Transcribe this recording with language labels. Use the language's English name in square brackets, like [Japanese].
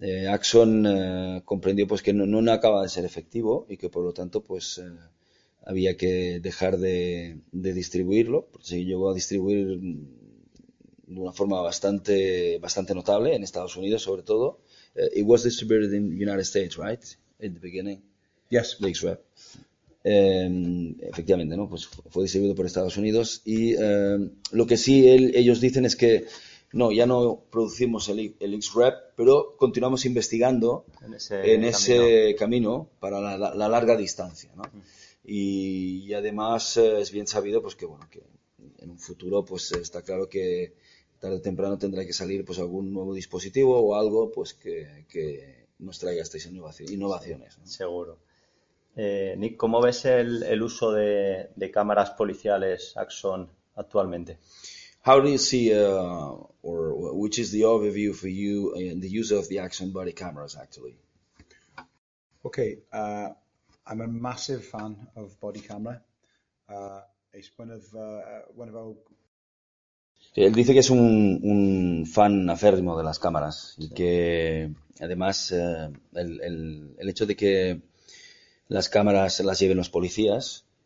[Spanish] Axon comprendió pues que no acaba de ser efectivo y que por lo tanto pues había que dejar de distribuirlo. Se llegó a distribuir de una forma bastante bastante notable en Estados Unidos, sobre todo. [English] It was distributed in the United States, right? At the beginning. Yes. [Spanish] The X-Rep. Efectivamente, ¿no? Pues fue distribuido por Estados Unidos. Y lo que sí ellos dicen es que no, ya no producimos el X-Rep, pero continuamos investigando en ese camino para la larga distancia, ¿no? Y además es bien sabido pues que bueno, que en un futuro pues está claro que tarde o temprano tendrá que salir pues algún nuevo dispositivo o algo pues que nos traiga estas innovaciones, ¿no? Seguro. Nick, ¿cómo ves el uso de cámaras policiales Axon actualmente? [English] How do you see, or which is the overview for you in the use of the Axon body cameras, actually? Okay, I'm a massive fan of body camera. It's one of our. [Spanish] Sí, él dice que es un fan acérrimo de las cámaras y que además el hecho de que las cámaras las lleven los policías.